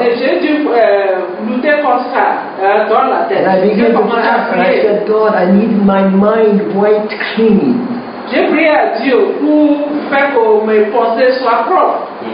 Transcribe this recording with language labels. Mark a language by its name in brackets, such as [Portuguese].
[French] Et j'ai dû lutter contre ça dans la tête. [English] And I began to pray, and I said, God, I need my mind wiped clean. [French] J'ai prié à Dieu pour faire que mes pensées soient propres.